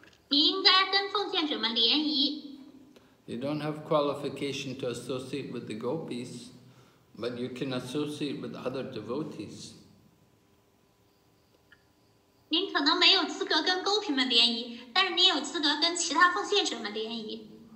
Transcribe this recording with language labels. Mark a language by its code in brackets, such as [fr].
[zh] 你应该跟奉献者们联谊。 [en] You don't have qualification to associate with the gopis, but you can associate with other devotees. [zh] 您可能没有资格跟 gopi 们联谊，但是你有资格跟其他奉献者们联谊。